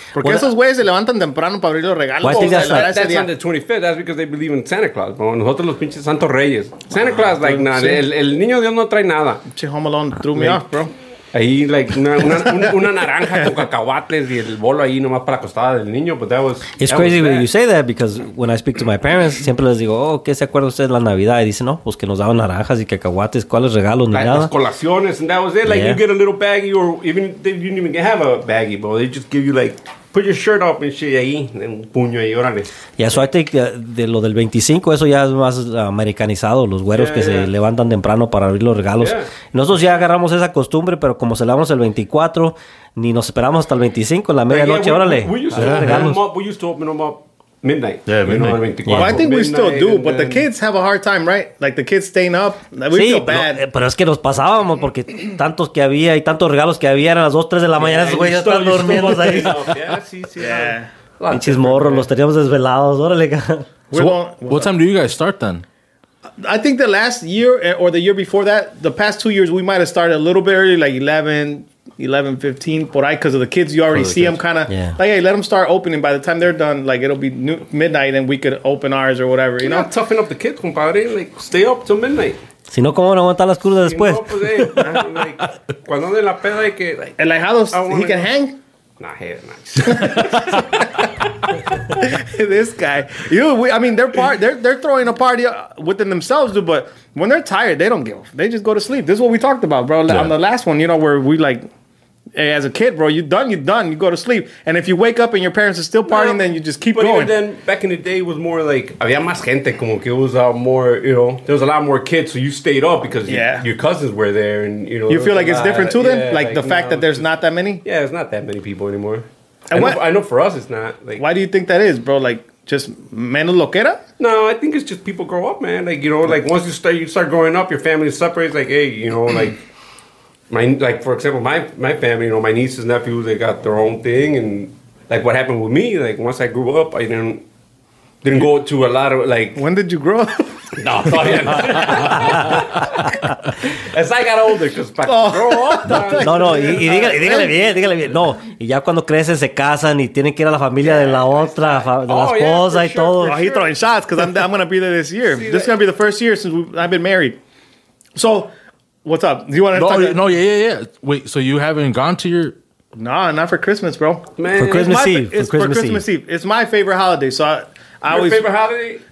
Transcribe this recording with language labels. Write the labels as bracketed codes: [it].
[es] Porque esos güeyes se levantan temprano para abrir los regalos. [en] Well, that's on the 25th, that's because they believe in Santa Claus. [es] Bro. Nosotros los pinches Santos Reyes. Santa Claus, like, nah, sí. El niño Dios no trae nada. [en] Che, Home Alone threw me off, bro. [es] Ahí, like, una naranja con cacahuates y el bolo ahí nomás para la costada del niño, [en] but that was... It's that crazy when you say that, because when I speak to my parents, [es] siempre les digo, oh, ¿qué se acuerda usted de la Navidad? Y dicen, no, pues que nos daban naranjas y cacahuates, ¿cuáles regalos? [en] Like, [es] las colaciones, [en] and that was it. Like, yeah, you get a little baggie, or even, they didn't even have a baggie, but they just give you, like, put your shirt up and shit [es] ahí, un puño ahí, órale. [en] Yeah, so I think [es] de lo del 25, eso ya es más americanizado, los güeros se levantan temprano para abrir los regalos. [en] Yeah. [es] Nosotros ya agarramos esa costumbre, pero como celebramos el 24, ni nos esperamos hasta el 25, en la medianoche, órale. [en] We used to open them up midnight. Yeah, midnight. Yeah. Well, I think midnight, we still do, but then the kids have a hard time, right? Like, the kids staying up. We feel bad. [es] No, pero es que nos pasábamos porque tantos que había y tantos regalos que había eran las 2, 3 de la mañana. Esos güeyes están durmiendo ahí. [en] Yeah. [es] Pinches morros, los teníamos desvelados. Órale. [en] What time do you guys start then? I think the last year or the year before that, the past 2 years, we might have started a little bit early, like 11:15, [es] por ahí, [en] because of the kids, you already see them kind of, yeah, like, hey, let them start opening. By the time they're done, like, it'll be midnight and we could open ours or whatever, you know? Yeah, toughen up the kids, compadre. Like, stay up till midnight. [es] Si no, ¿cómo van a aguantar las crudas después? No, pues, hey, like, cuando de la peda hay que, like, el ahijado, [en] he can hang? Nah, hey, nice. This guy, you know, they're throwing a party within themselves, dude, but when they're tired, they don't give, they just go to sleep. This is what we talked about, bro, yeah, on the last one, you know, where we, like, hey, as a kid, bro, you're done, you go to sleep, and if you wake up and your parents are still partying, no, then you just keep but going. But even then, back in the day, it was more like, [es] había más gente, como que [en] it was more, you know, there was a lot more kids, so you stayed up because your cousins were there, and, you know. You feel like it's different to them? Yeah, like, the fact that there's just not that many? Yeah, it's not that many people anymore. I know for us it's not. Like, why do you think that is, bro? Like, just [es] menos loquera? [en] No, I think it's just people grow up, man. Like, you know, like, once you start growing up, your family separates. Like, hey, you know, like, for example, my family, you know, my nieces, nephews, they got their own thing. And, like, what happened with me, like, once I grew up, I didn't go to a lot of, like... When did you grow up? No, oh, yeah, no. As I got older, because back to grow up... [es] No, y dígale bien. No, y ya cuando crecen, se casan y tienen que ir a la familia de la otra, de la esposa y todo. [en] Sure. Oh, he's throwing shots, because I'm going to be there this year. See, this is going to be the first year since I've been married. So, what's up? Do you want to talk? No, yeah. Wait, so you haven't gone to your... No, nah, not for Christmas, bro. Man, for Christmas Eve. It's my favorite holiday, so... Your favorite holiday?